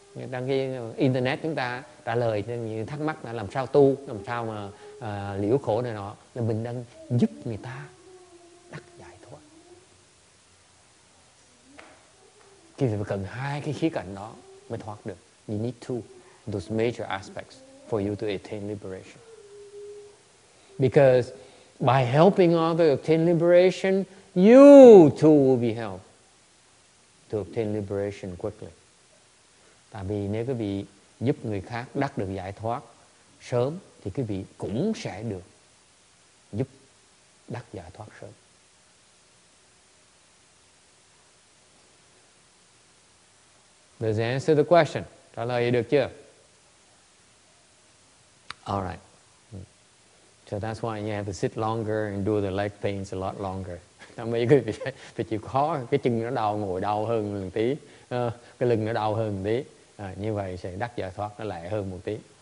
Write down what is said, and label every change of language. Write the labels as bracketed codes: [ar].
[vi] Đăng ký internet chúng ta trả lời những thắc mắc là làm sao tu, làm sao mà liễu khổ này nọ, là mình đang giúp người ta đắc giải thoát. Khi mà cần hai cái khía cạnh đó mới thoát được. [en] You need to. Those major aspects for you to attain liberation. Because by helping others obtain liberation, you too will be helped to obtain liberation quickly. [vi] Tại vì nếu quý vị giúp người khác đắc được giải thoát sớm, thì quý vị cũng sẽ được giúp đắc giải thoát sớm. [en] Does that answer the question? [vi] Trả lời được chưa? [en] All right. So that's why you have to sit longer and do the leg pains a lot longer. [vi] Tại vì quý vị phải chịu khó, cái chân nó đau ngồi đau hơn một tí, cái lưng nó đau hơn một tí. Như vậy sẽ đắc giải thoát nó lẹ hơn một tí.